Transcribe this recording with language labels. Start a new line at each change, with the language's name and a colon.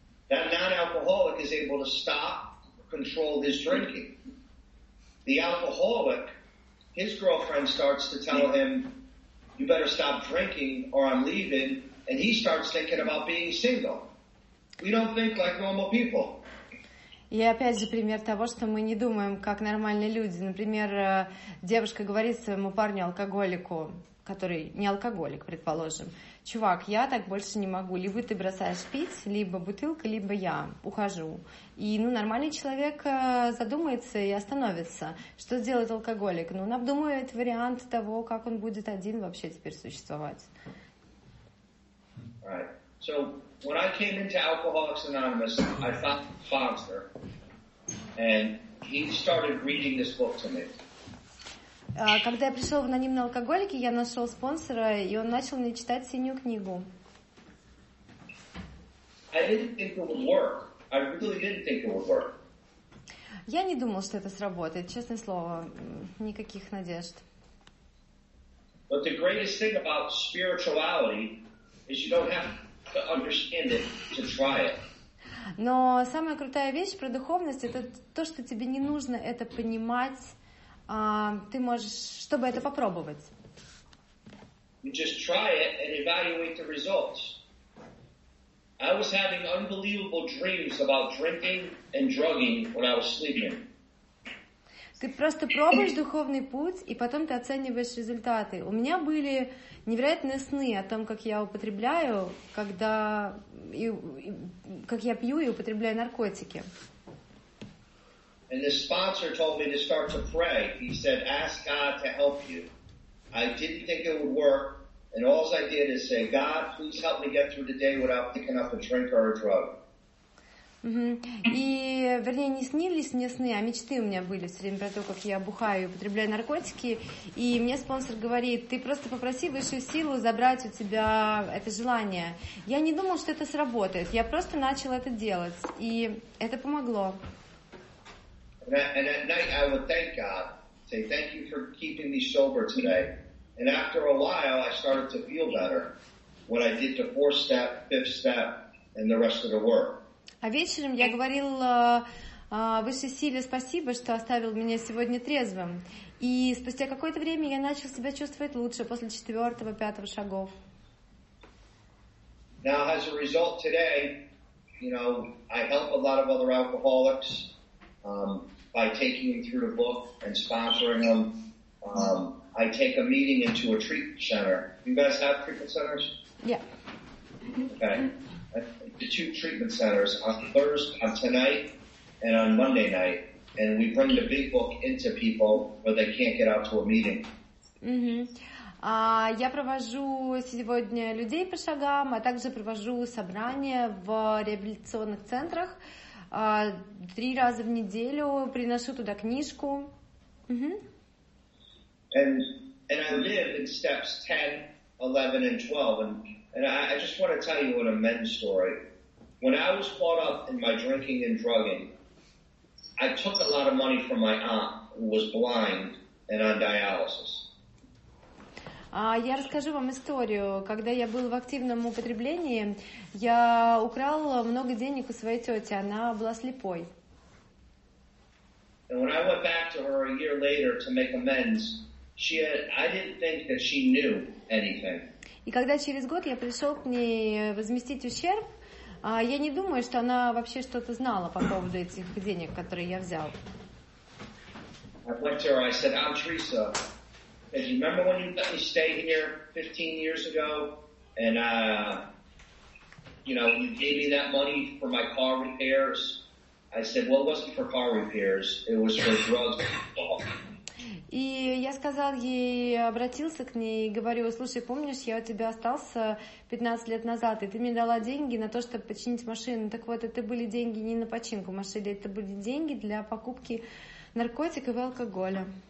English: That non-alcoholic is able to stop, control his drinking. The alcoholic, his girlfriend starts to tell him, you better stop drinking or I'm leaving, and he starts thinking about being single. We don't think like normal people.
Russian: И опять же пример того, что мы не думаем как нормальные люди. Например, девушка говорит своему парню-алкоголику, который не алкоголик, предположим, «Чувак, я так больше не могу. Либо ты бросаешь пить, либо бутылка, либо я ухожу». И ну, нормальный человек задумается и остановится. Что сделает алкоголик? Ну, он обдумывает вариант того, как он будет один вообще теперь существовать.
English: Right. So, when I came into Alcoholics Anonymous, I found Foster, and he started reading this book to me.
Russian: Когда я пришел в анонимные алкоголики, я нашел спонсора, и он начал мне читать синюю книгу.
English: I didn't think it would work. I really didn't think it would work.
Russian: Я не думал, что это сработает, честное слово, никаких надежд.
English: But the greatest thing about spirituality is you don't have to understand it to try it.
Russian: Но самая крутая вещь про духовность — это то, что тебе не нужно это понимать. Ты можешь, чтобы это попробовать.
English: You just try it and evaluate the results. I was having unbelievable dreams about drinking and drugging when I was sleeping.
Russian: Ты просто пробуешь духовный путь, и потом ты оцениваешь результаты. У меня были невероятные сны о том, как я употребляю, когда как я пью и употребляю наркотики.
English: And the sponsor told me to start to pray. He said, ask God to help you. I didn't think it would work. And all I did is say, God, please help me get through the day without picking up a drink or a drug. Mm-hmm.
Russian: И, вернее, не снились мне сны, а мечты у меня были все время про то, как я бухаю и употребляю наркотики. И мне спонсор говорит, ты просто попроси высшую силу забрать у тебя это желание. Я не думал, что это сработает. Я просто начал это делать. И это помогло.
English: And at night I would thank God, say, thank you for keeping me sober today. And after a while, I started to feel better when I did the fourth step, fifth step, and the rest of the work.
Russian: А вечером я говорил высшей силе спасибо, что оставил меня сегодня трезвым. И спустя какое-то время я начал себя чувствовать лучше после четвертого, пятого шагов.
English: Now, as a result today, you know, I help a lot of other alcoholics. By taking them through the book and sponsoring them, I take a meeting into a treatment center. You guys have treatment centers? Yeah. Okay. The two treatment centers on tonight and on Monday night, and we bring the big book into people where they can't get out to a meeting. Mm-hmm.
Russian: Я провожу сегодня людей по шагам, а также провожу собрания в реабилитационных центрах. Три раза в неделю приношу туда книжку.
English: And I live in steps 10, 11, and 12. And I just want to tell you an amends story. When I was caught up in my drinking and drugging, I took a lot of money from my aunt, who was blind and on dialysis.
Russian: Я расскажу вам историю. Когда я был в активном употреблении, я украл много денег у своей тети. Она была слепой.
English: And when I went back to her a year later to make amends, I didn't think that she knew anything.
Russian: И когда через год я пришел к ней возместить ущерб, я не думаю, что она вообще что-то знала по поводу этих денег, которые я взял.
English: I went to her, I said, I'm Teresa. Do you remember when you let me stay here 15 years ago, and you know, you gave me that money for my car repairs? I said, well, it wasn't for car repairs; it was for drugs.
Russian: И я сказал ей, обратился к ней и говорю, слушай, помнишь, я у тебя остался 15 лет назад, и ты мне дала деньги на то, чтобы починить машину. Так вот, это были деньги не на починку машины, это были деньги для покупки наркотиков и алкоголя.